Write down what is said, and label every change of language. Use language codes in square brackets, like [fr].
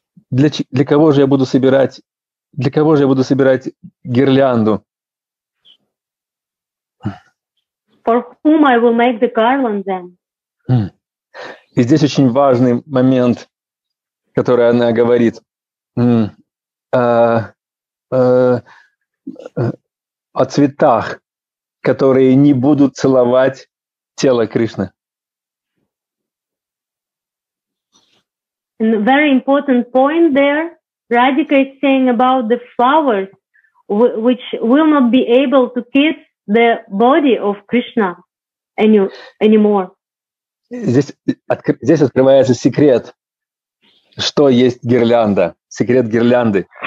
[ru] Для кого же я буду собирать гирлянду? [en] For whom I will make the garland then? [ru] И здесь очень важный момент, который она говорит. О цветах, которые не будут целовать тело Кришны. [en] And a very important point there, Radhika is saying about the flowers, which will not be able to kiss the body of Krishna anymore. [ru] Здесь открывается секрет, что есть гирлянда, секрет гирлянды.